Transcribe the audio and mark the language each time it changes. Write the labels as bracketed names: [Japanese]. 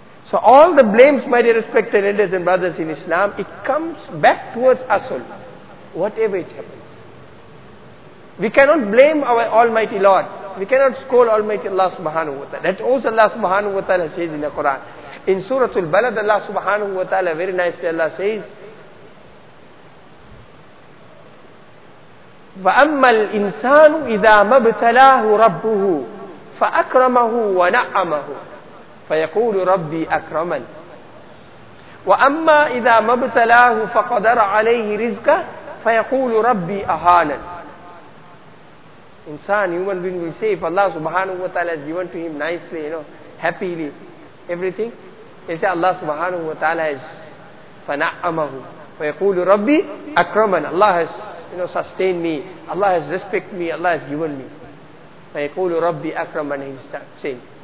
[English] So all the blames, my dear respected elders and brothers in Islam, it comes back towards us only. Whatever it happens. We cannot blame our Almighty Lord. We cannot scold Almighty Allah subhanahu wa ta'ala. That also Allah subhanahu wa ta'ala says in the Quran. [Arabic] In Surah Al-Balad, Allah subhanahu wa ta'ala very nicely Allah says, وَأَمَّا الْإِنسَانُ إِذَا مَبْتَلَاهُ رَبُّهُ فَأَكْرَمَهُ وَنَعَّمَهُ فَيَقُولُ رَبِّي أَكْرَمَنِ وَأَمَّا إِذَا مَبْتَلَاهُ فَقَدَرَ عَلَيْهِ رِزْقَهُ فَيَقُولُ رَبِّي أَهَانَنِ. [English] Insan, human being will say, if Allah subhanahu wa ta'ala has given to him nicely, you know, happily, everything, he say Allah subhanahu wa ta'ala has فَنَعَّمَهُ فَيَقُولُ رَبِّي أَكْرَمَنِ. Allah has, you know, sustain me. Allah has respect me. Allah has given me. فَيَقُولُ رَبِّي أَكْرَمَنِ. He's saying.